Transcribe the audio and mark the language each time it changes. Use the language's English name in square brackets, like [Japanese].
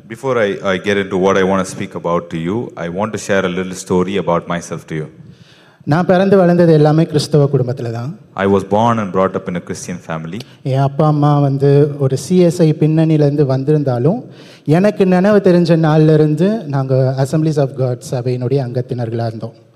[English] Before I get in to what I want speak about to you, I want to share a little story about myself to you. [Tamil] நான் பிறந்து வளர்ந்தது எல்லாமே கிறிஸ்தவ குடும்பத்தில் தான். [English] I was born and brought up in a Christian family. [Tamil] என் அப்பா அம்மா வந்து ஒரு சிஎஸ்ஐ பின்னணியிலேருந்து வந்திருந்தாலும் எனக்கு நினைவு தெரிஞ்ச நாள்லேருந்து நாங்கள் அசம்பிளிஸ் ஆஃப் காட் சபையினுடைய அங்கத்தினர்களாக இருந்தோம்.